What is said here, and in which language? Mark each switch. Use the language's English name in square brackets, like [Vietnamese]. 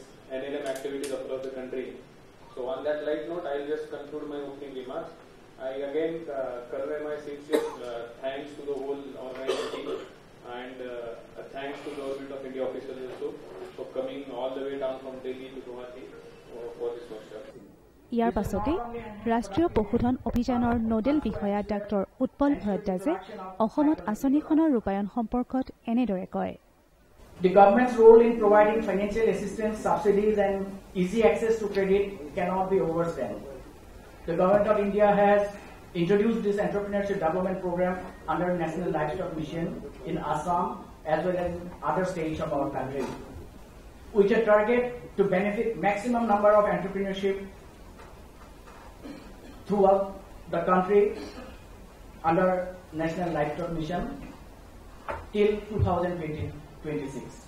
[English] So on that light note, I'll just conclude my opening remarks. I again convey my sincere thanks to the whole organizing team and thanks to the Government of India officials also for coming all the way down from Delhi to Guwahati for this workshop. [Assamese] ইয়াৰ পাছতে ৰাষ্ট্ৰীয় পশুধন অভিযানৰ nodal বিষয়া doctor Utpal ভৰদ্বাজে অসমত আঁচনিখনৰ ৰূপায়ণ সম্পৰ্কত এনেদৰে কয়। [English] The government's role in providing financial assistance, subsidies and easy access to credit cannot be overstated. The government of India has introduced this entrepreneurship development program under National Livestock Mission in Assam as well as other states of our country, with a target to benefit maximum number of entrepreneurship throughout the country under National Livestock Mission till 2026.